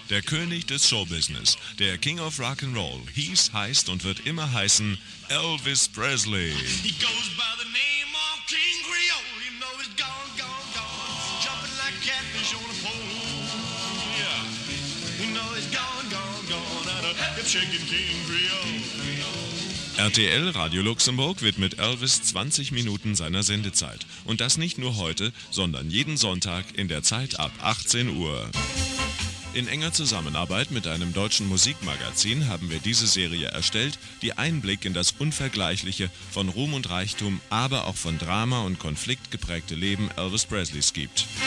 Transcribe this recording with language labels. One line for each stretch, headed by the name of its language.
German: Der König des Showbusiness, der King of Rock'n'Roll, hieß, heißt und wird immer heißen Elvis Presley.
English: He goes by the name of King Creole, even though he's gone, gone, gone, jumping like catfish on a pole. Yeah, you know he's gone, gone, gone, out of the chicken King Creole.
German: RTL Radio Luxemburg widmet Elvis 20 Minuten seiner Sendezeit. Und das nicht nur heute, sondern jeden Sonntag in der Zeit ab 18 Uhr. In enger Zusammenarbeit mit einem deutschen Musikmagazin haben wir diese Serie erstellt, die Einblick in das unvergleichliche, von Ruhm und Reichtum, aber auch von Drama und Konflikt geprägte Leben Elvis Presleys gibt.